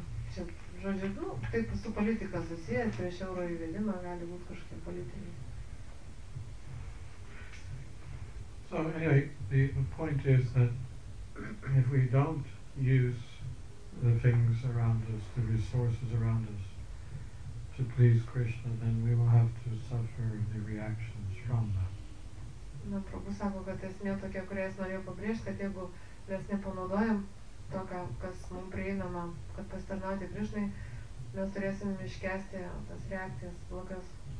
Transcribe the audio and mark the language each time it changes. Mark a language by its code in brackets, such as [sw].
[lt] Čia, žodžiu, nu, taip su politika susiję, prieš euro įvedimą gali būti kažkokie politiniai. [en] So anyway, the point is that if we don't use the things around us, the resources around us, to please Krishna, then we will have to suffer the reactions from them. [lt] Na, Prabhu sako, kad esmė tokia, kurią jis norėjo pabrėžti, kad jeigu mes nepanaudojam to, kas mums prieinama, kad pasitarnauti Krishnai, mes turėsim iškęsti tas reakcijas blokas.